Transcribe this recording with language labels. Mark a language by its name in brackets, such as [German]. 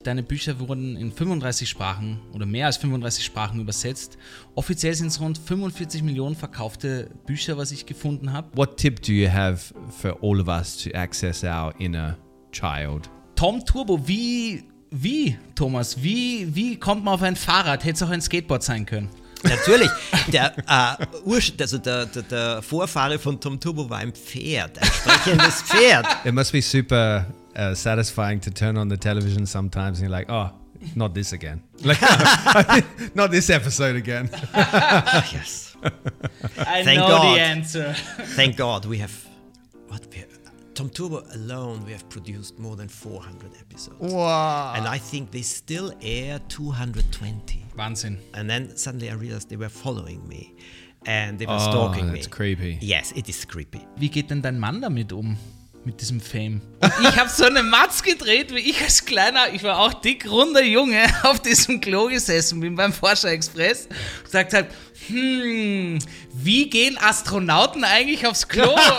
[German] Deine Bücher wurden in 35 Sprachen oder mehr als 35 Sprachen übersetzt. Offiziell sind es rund 45 Millionen verkaufte Bücher, was ich gefunden habe. [English] What tip do you have for all of us to access our inner child? [German] Tom Turbo, wie Thomas, wie kommt man auf ein Fahrrad? Hätte es auch ein Skateboard sein können? Natürlich, der Vorfahre von Tom Turbo war ein Pferd, ein sprechendes Pferd. [English] It must be super satisfying to turn on the television sometimes and you're like, oh, not this again. Like, not this episode again. Yes. I Thank know God. The answer. Thank God we have, Tom Turbo alone, we have produced more than 400 episodes. Wow. And I think they still air 220. [German] Wahnsinn. [English] And then suddenly I realized they were following me and they were stalking that's me. That's creepy. Yes, it is creepy. [German] Wie geht denn dein Mann damit um? Mit diesem Fame. Und ich habe so eine Matz gedreht, wie ich als kleiner, ich war auch dick, runder Junge, auf diesem Klo gesessen bin beim Forscher-Express. Und sagt halt, wie gehen Astronauten eigentlich aufs Klo?